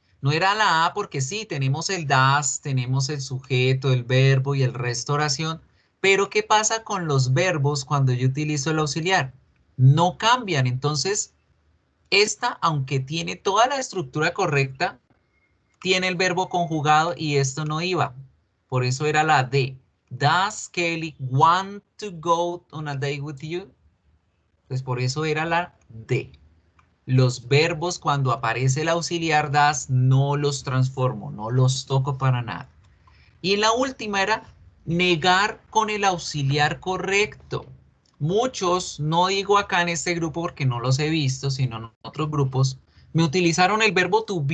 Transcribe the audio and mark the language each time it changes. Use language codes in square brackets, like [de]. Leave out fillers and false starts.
[es] No era la A porque sí, tenemos el das, tenemos el sujeto, el verbo y el resto de oración. Pero, ¿qué pasa con los verbos cuando yo utilizo el auxiliar? No cambian. Entonces, esta, aunque tiene toda la estructura correcta, tiene el verbo conjugado y esto no iba. Por eso era la D. [en] Does Kelly want to go on a date with you? [es] Pues por eso era la D. Los verbos, cuando aparece el auxiliar does, no los transformo, no los toco para nada. Y la última era negar con el auxiliar correcto. Muchos, no digo acá en este grupo porque no los he visto, sino en otros grupos, me utilizaron el verbo to be.